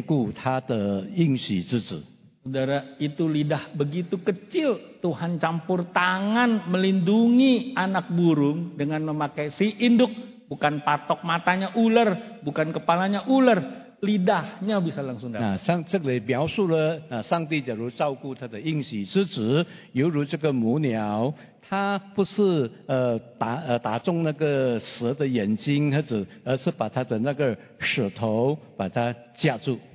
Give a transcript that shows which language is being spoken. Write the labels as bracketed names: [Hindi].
[Chinese] 之前我就当做这个是鸟，犹如上帝在眷顾他的应许之子。 [Indonesian] Saudara, itu lidah begitu kecil, Tuhan campur tangan melindungi anak burung dengan memakai si induk, bukan patok matanya ular, bukan kepalanya ular. Lidahnya bisa langsung datang. [Chinese] Nah, 上这里描述了，上帝假如照顾他的应许之子，犹如这个母鸟，他不是打中那个蛇的眼睛，而是把他的那个舌头把它架住。